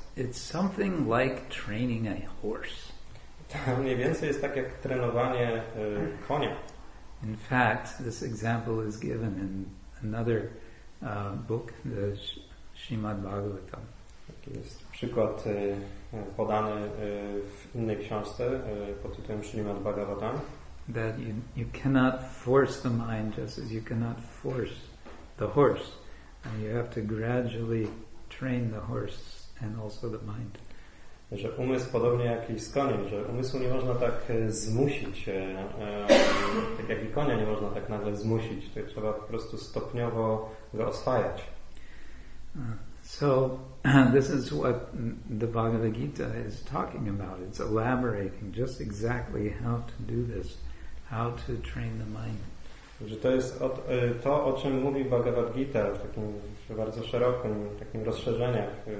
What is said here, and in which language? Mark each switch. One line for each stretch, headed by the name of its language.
English: It's something like training a horse.
Polish: Mniej więcej jest tak jak trenowanie konia.
English: In fact, this example is given in another book, the Srimad Bhagavatam.
Polish: Jest przykład podany w innej książce pod tytułem Srimad Bhagavatam.
English: That you cannot force the mind just as you cannot force the horse. And you have to gradually train the horse. And also the mind.
Polish: Że umysł podobnie jak i z koniem, że umysłu nie można tak zmusić, tak jak i konia nie można tak nagle zmusić, to trzeba po prostu stopniowo go oswajać.
English: So this is what the Bhagavad Gita is talking about. It's elaborating just exactly how to do this, how to train the mind.
Polish: Że to jest to, o czym mówi Bhagavad Gita w takim bardzo szerokim, takim rozszerzeniach.